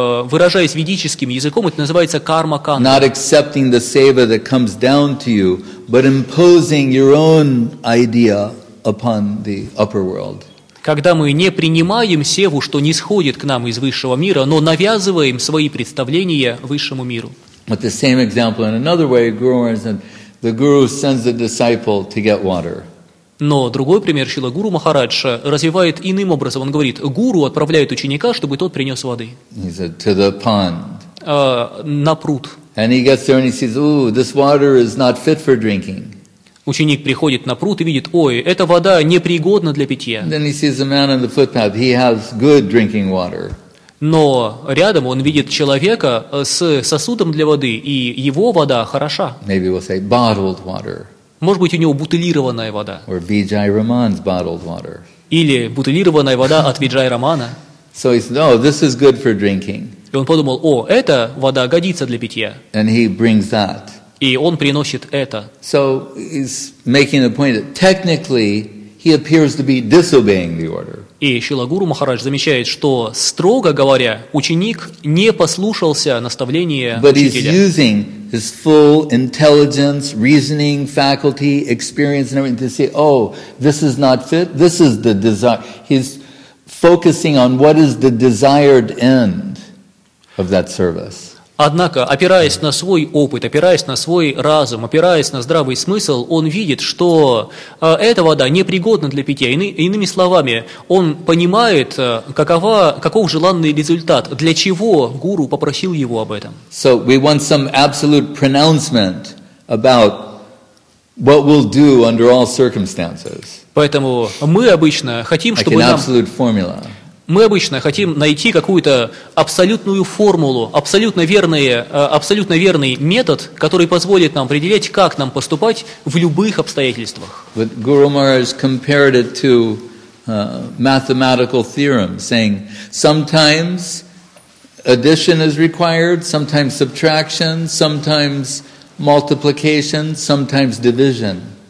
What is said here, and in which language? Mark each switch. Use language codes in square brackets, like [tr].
[ru] Выражаясь ведическим языком, это называется карма-канда. [en] Not accepting the seva that comes down to you, but imposing your own idea upon the upper world. [ru] Когда мы не принимаем севу, что нисходит к нам из высшего мира, но навязываем свои представления высшему миру. [en] But the same example in another way, Guru Maharaj said, the Guru sends the disciple to get water. [ru] Но другой пример Шрила Гуру Махарадж развивает иным образом. Он говорит, Гуру отправляет ученика, чтобы тот принес воды. [en] He said, to the pond. [ru] На пруд. [en] And he gets there and he says, ooh, this water is not fit for drinking. [ru] Ученик приходит на пруд и видит, ой, эта вода непригодна для питья. [en] Then he sees a man on the footpath, he has good drinking water. [ru] Но рядом он видит человека с сосудом для воды, и его вода хороша. [en] Maybe we'll say bottled water. [ru] Может быть, у него бутылированная вода. [en] Or Vijay Raman's bottled water. [ru] Или бутылированная вода от Виджай Рамана. [en] So he said, oh, this is good for drinking. [ru] И он подумал, о, эта вода годится для питья. [en] And he brings that. [ru] И он приносит это. [en] So he's making the point that technically he appears to be disobeying the order. [ru] И Шрила Гуру Махарадж замечает, что, строго говоря, ученик не послушался наставления [en] But [ru] учителя. [en] He's using his full intelligence, reasoning, faculty, experience and everything to say, oh, this is not fit, this is the desire. He's focusing on what is the desired end of that service. [ru] Однако, опираясь на свой опыт, опираясь на свой разум, опираясь на здравый смысл, он видит, что эта вода непригодна для питья. Иными словами, он понимает, каков желанный результат, для чего гуру попросил его об этом. [en] So we want some absolute pronouncement about what we'll do under all circumstances. [ru] Поэтому мы обычно хотим, чтобы нам... Мы обычно хотим найти какую-то абсолютную формулу, абсолютно верный метод, который позволит нам определять, как нам поступать в любых обстоятельствах. [en] But Guru Maharaj compared it to mathematical theorem, saying sometimes addition is required, sometimes subtraction, sometimes multiplication, sometimes division.